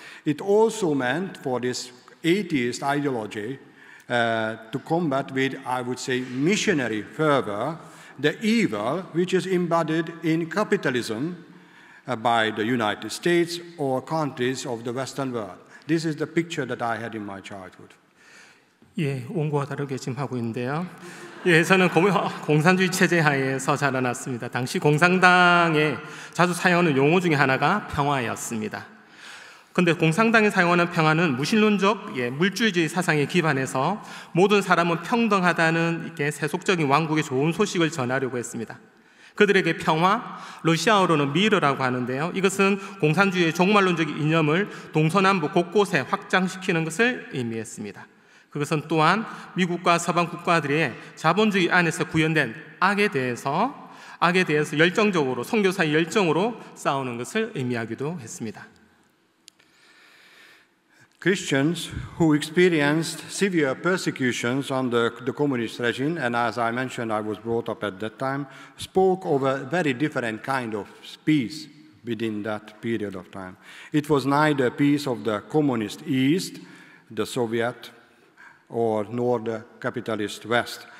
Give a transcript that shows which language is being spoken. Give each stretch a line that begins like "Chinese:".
English: It also meant for this atheist ideology to combat with, I would say, missionary fervor, the evil which is embedded in capitalism by the United States or countries of the Western world. This is the picture that I had in my childhood.
Korean: 예, 원고와 다르게 지금 하고 있는데요. 예, 저는 공산주의 체제 하에서 자라났습니다. 당시 공산당에 자주 사용하는 용어 중에 하나가 평화였습니다. 그런데 공산당이 사용하는 평화는 무신론적 예, 물질주의 사상에 기반해서 모든 사람은 평등하다는 이렇게 세속적인 왕국의 좋은 소식을 전하려고 했습니다. 그들에게 평화, 러시아어로는 미르라고 하는데요. 이것은 공산주의의 종말론적인 이념을 동서남북 곳곳에 확장시키는 것을 의미했습니다. 그것은 또한 미국과 서방 국가들의 자본주의 안에서 구현된 악에 대해서 열정적으로 선교사의 열정으로 싸우는 것을 의미하기도 했습니다.
English: Christians who experienced severe persecutions under the communist regime, and as I mentioned, I was brought up at that time, spoke of a very different kind of peace within that period of time. It was neither peace of the communist East, the Soviet, or nor the capitalist West.